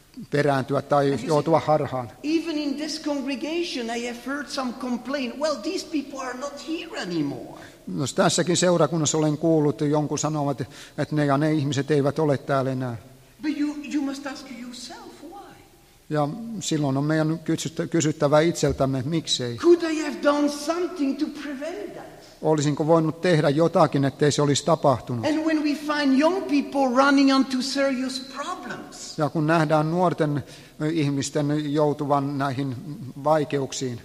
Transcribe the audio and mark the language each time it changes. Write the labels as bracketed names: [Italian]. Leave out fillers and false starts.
[Finnish] perääntyä tai joutua harhaan. [English] Even in this congregation I have heard some complaint. Well, these people are not here anymore. [Finnish] No, tässäkin seurakunnassa olen kuullut jonkun sanovat, että ne ja ne ihmiset eivät ole täällä enää. [English] But you must ask yourself why. [Finnish] Ja silloin on meidän kysyttävä itseltämme, miksei. [English] Could I have done something to prevent that? [Finnish] Olisinko voinut tehdä jotakin, ettei se olisi tapahtunut? [English] And when we find young people running onto serious problems. [Finnish] Ja kun nähdään nuorten ihmisten joutuvan näihin vaikeuksiin.